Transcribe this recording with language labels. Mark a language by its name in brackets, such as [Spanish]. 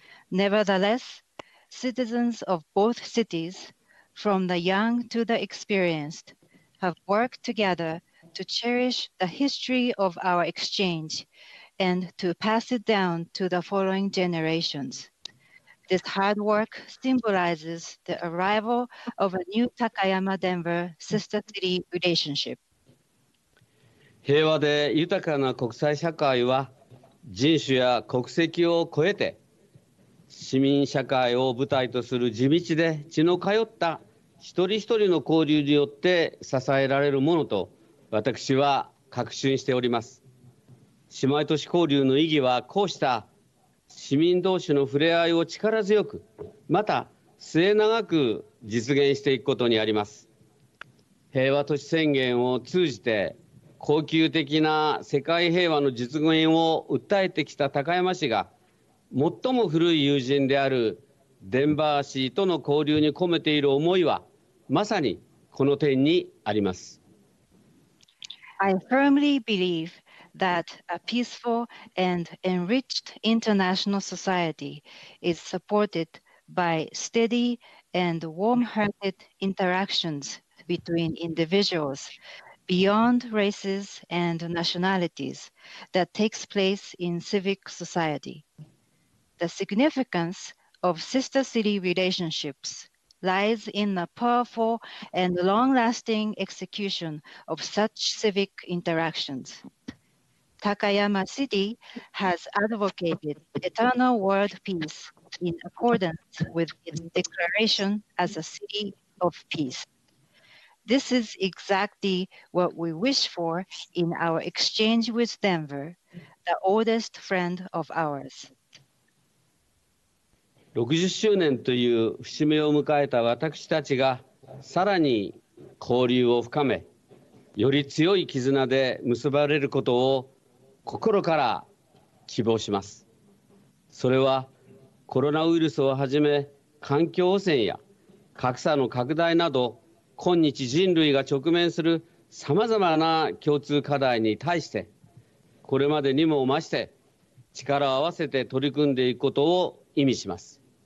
[English] Nevertheless, citizens of both cities, from the young to the experienced, have worked together to cherish the history of our exchange and to pass it down to the following generations. This hard work symbolizes the arrival of a new Takayama-Denver sister city relationship. [Japanese] 平和で豊かな国際社会は人種や国籍を超えて市民社会を舞台とする地道で血の通った一人一人の交流によって支えられるものと私は確信しております。姉妹都市交流の意義はこうした市民同士の触れ合いを力強くまた末永く実現していくことにあります。平和都市宣言を通じて恒久的な世界平和の実現を訴えてきた高山氏が最も古い友人であるデンバー氏との交流に込めている思いはまさにこの点にあります。 [English] I firmly believe that a peaceful and enriched international society is supported by steady and warm-hearted interactions between individuals beyond races and nationalities that takes place in civic society. The significance of sister-city relationships lies in the powerful and long-lasting execution of such civic interactions. Takayama City has advocated eternal world peace in accordance with its declaration as a city of peace. This is exactly what we wish for in our exchange with Denver, the oldest friend of ours. [Japanese] 60周年という節目を迎えた私たちがさらに交流を深め、より強い絆で結ばれることを心から希望します。それはコロナウイルスをはじめ環境汚染や格差の拡大など今日人類が直面するさまざまな共通課題に対してこれまでにも増して力を合わせて取り組んでいくことを意味します。